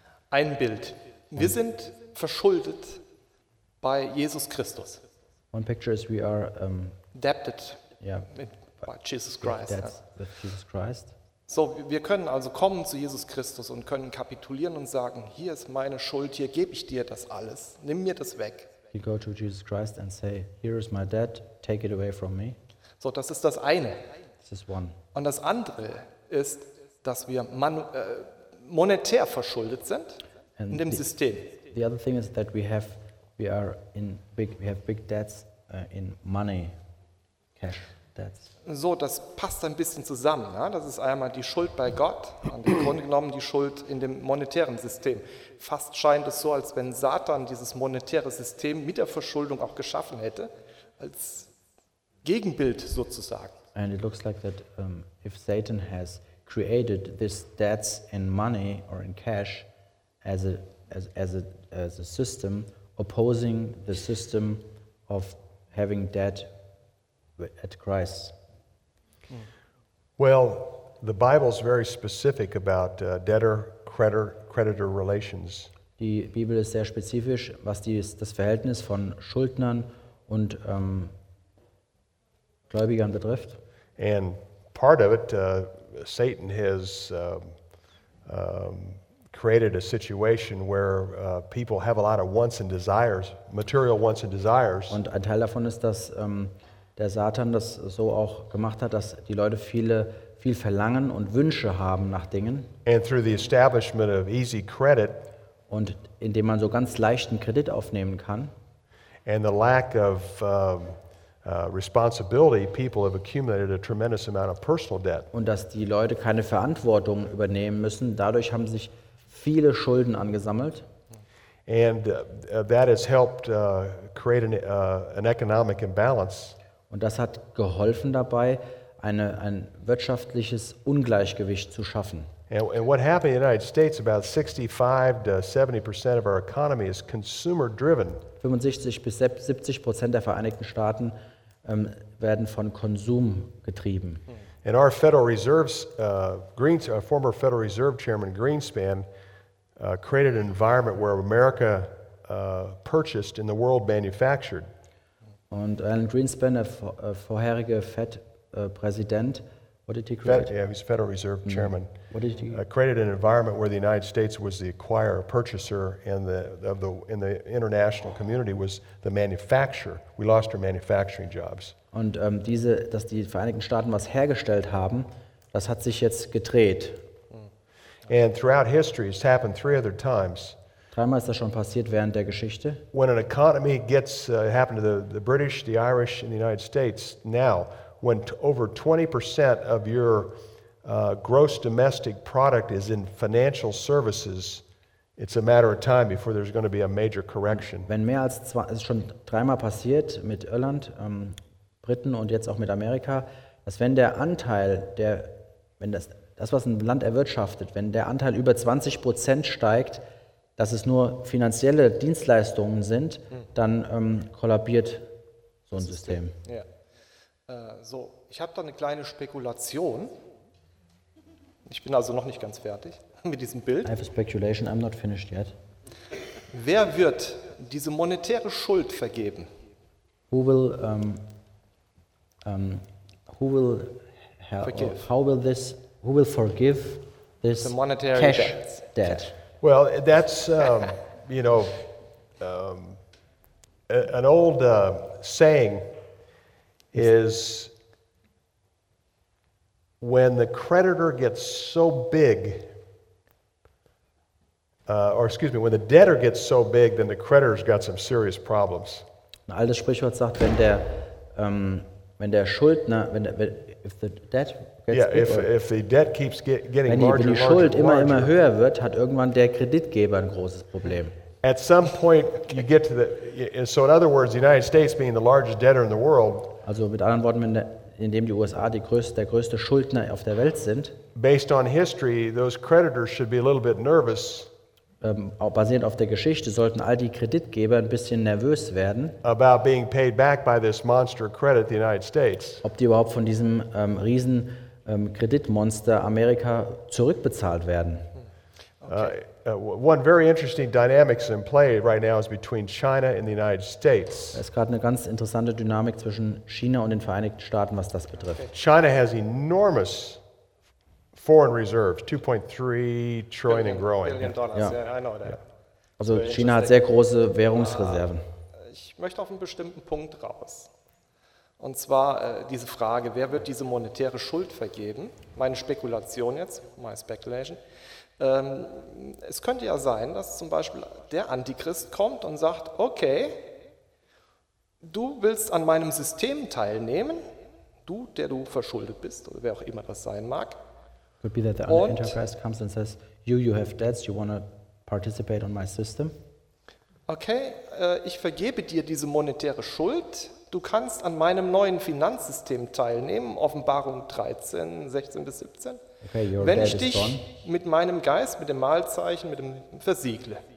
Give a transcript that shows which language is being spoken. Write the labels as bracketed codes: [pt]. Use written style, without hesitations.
[de] Ein Bild. Wir sind verschuldet bei Jesus Christus. [en] One picture is we are debted, yeah, by Jesus Christ. With Jesus Christ. [de] So, wir können also kommen zu Jesus Christus und können kapitulieren und sagen, hier ist meine Schuld, hier gebe ich dir das alles, nimm mir das weg. [en] You go to Jesus Christ and say, here is my debt, take it away from me. [de] So, das ist das eine. [en] This is one. [de] Und das andere ist, dass wir monetär verschuldet sind [en] and [de] in dem [en] the, [de] System. [en] The other thing is that we have We are in big, we have big debts in money, cash debts. [de] So, das passt ein bisschen zusammen. Ne? Das ist einmal die Schuld bei Gott, und im Grunde genommen die Schuld in dem monetären System. Fast scheint es so, als wenn Satan dieses monetäre System mit der Verschuldung auch geschaffen hätte, als Gegenbild sozusagen. [en] And it looks like that if Satan has created this debts in money or in cash as a system opposing the system of having debt at Christ. Well, the Bible is very specific about debtor-creditor relations. [de] Die Bibel ist sehr spezifisch, was das Verhältnis von Schuldnern und Gläubigern betrifft. [en] And part of it, Satan has created a situation where people have a lot of wants and desires, material wants and desires. [de] Und ein Teil davon ist, dass der Satan das so auch gemacht hat, dass die Leute viel Verlangen und Wünsche haben nach Dingen. [en] And through the establishment of easy credit, [de] und indem man so ganz leichten Kredit aufnehmen kann, [en] and the lack of responsibility, people have accumulated a tremendous amount of personal debt. [de] Und dass die Leute keine Verantwortung übernehmen müssen, dadurch haben sich viele Schulden angesammelt. [en] And that has helped create an economic imbalance. [de] Und das hat geholfen dabei, ein wirtschaftliches Ungleichgewicht zu schaffen. [en] And what happened in the United States, about 65-70% of our economy is consumer driven. [de] 65-70% der Vereinigten Staaten werden von Konsum getrieben. [en] And our Federal Reserve's former Federal Reserve Chairman Greenspan created an environment where America purchased and the world manufactured. [de] Und Alan Greenspan, der vorherige Fed-Präsident, [en] what did he create? He's Federal Reserve Chairman. What did he created an environment where the United States was the acquirer, purchaser, and in the international community was the manufacturer. We lost our manufacturing jobs. [de] Und dass die Vereinigten Staaten was hergestellt haben, das hat sich jetzt gedreht. [en] And throughout history, it's happened three other times. [de] Dreimal ist das schon passiert während der Geschichte. [en] When an economy gets happened to the British, the Irish, and the United States now, when over 20% of your gross domestic product is in financial services, it's a matter of time before there's going to be a major correction. [de] Wenn mehr als es ist schon dreimal passiert mit Irland, Briten und jetzt auch mit Amerika, dass wenn der Anteil der wenn das das was ein Land erwirtschaftet, wenn der Anteil über 20% steigt, dass es nur finanzielle Dienstleistungen sind, dann kollabiert so ein System. Ja. So, ich habe da eine kleine Spekulation. Ich bin also noch nicht ganz fertig mit diesem Bild. I have a speculation, I'm not finished yet. Wer wird diese monetäre Schuld vergeben? [en] Who will who will how will this who will forgive this the monetary cash debt? Well, that's you know an old saying is when the creditor gets so big, when the debtor gets so big, then the creditor's got some serious problems. [de] Ein altes Sprichwort sagt, wenn die Schuld immer höher wird, hat irgendwann der Kreditgeber ein großes Problem. [en] At some point you get to the so in other words, the United States being the largest debtor in the world. [de] Also mit anderen Worten, indem die USA der größte Schuldner auf der Welt sind. [en] Based on history, those creditors should be a little bit nervous. [de] Basierend auf der Geschichte sollten all die Kreditgeber ein bisschen nervös werden. [en] About being paid back by this monster credit, the United States. [de] Ob die überhaupt von diesem riesen Kreditmonster Amerika zurückbezahlt werden. Okay. [en] One very interesting dynamic in play right now is between China and the United States. [de] Es ist gerade eine ganz interessante Dynamik zwischen China und den Vereinigten Staaten, was das betrifft. Okay. [en] China has enormous foreign reserves, 2.3 trillion and growing. Billion Dollars. Yeah. Yeah, I know that. Yeah. [de] Also so China hat sehr große Währungsreserven. Ich möchte auf einen bestimmten Punkt raus. Und zwar diese Frage, wer wird diese monetäre Schuld vergeben? Meine Spekulation jetzt, [en] my speculation. [de] Es könnte ja sein, dass zum Beispiel der Antichrist kommt und sagt, okay, du willst an meinem System teilnehmen, du, der du verschuldet bist, oder wer auch immer das sein mag. [en] Could be that the Antichrist comes and says, you have debts, you want to participate on my system. [de] Okay, ich vergebe dir diese monetäre Schuld, du kannst an meinem neuen Finanzsystem teilnehmen, Offenbarung 13, 16 bis 17. [en] Okay, your [de] wenn ich [en] dad [de] dich [en] is gone. [de] Mit meinem Geist, mit dem Mahlzeichen, mit dem versiegle.